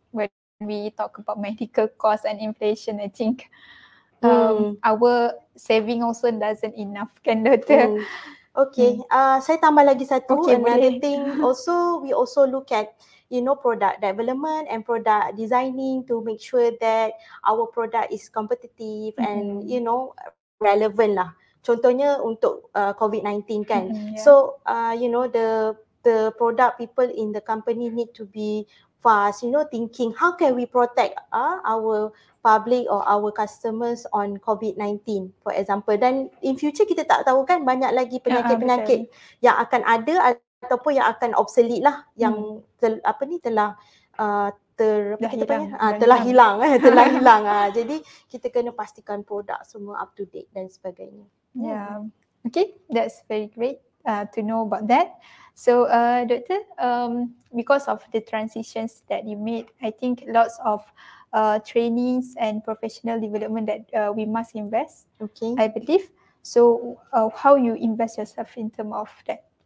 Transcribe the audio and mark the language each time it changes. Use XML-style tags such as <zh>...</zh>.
<en>When we talk about medical cost and inflation, I think our saving also doesn't enough</en> <ms>kan doktor. Okay, saya tambah lagi satu.</ms> <en>Okay, another Thing also, we also look at, you know, product development and product designing to make sure that our product is competitive and, you know, relevant lah.</en> <ms>Contohnya untuk COVID-19 kan.</ms> <en>So, you know, the product people in the company need to be fast, you know, thinking how can we protect our public or our customers on COVID-19, for example.</en> <ms>Dan</ms> <en>in future</en> <ms>kita tak tahu kan banyak lagi penyakit-penyakit yang akan ada ataupun yang akan obsolete lah, yang telah hilang. Jadi kita kena pastikan produk semua</ms> <en>up to date</en> <ms>dan sebagainya.</ms> <en>Okay, that's very great. to know about that. So, doctor, because of the transitions that you made, I think lots of trainings and professional development that we must invest. Okay. I believe. So, how you invest yourself in terms of that?</en>